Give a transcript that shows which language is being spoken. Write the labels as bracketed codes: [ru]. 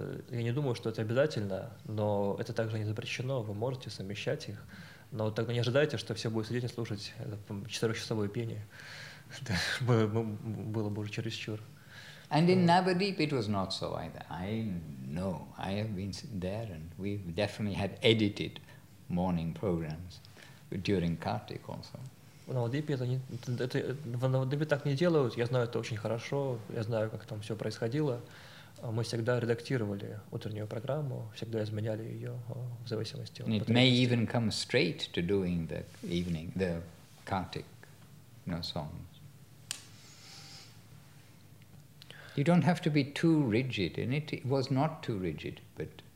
[ru] Я не думаю, что это обязательно, но это также не запрещено, вы можете совмещать их. Но тогда не ожидайте, что все будут сидеть и слушать четырехчасовое пение. Было бы уже чересчур. [en] And in Navadvip it was not so either. I know, I have been there, and we've definitely had edited morning programs. During Kartik also. [ru] В Навадвипе так не делают. Я знаю это очень хорошо. Я знаю, как там все происходило. Мы всегда редактировали утреннюю программу, всегда изменяли ее в зависимости от того. [en] It may even come straight to doing the evening, the Kartik, you know, songs. You don't have to be too rigid, and it was not too rigid, but.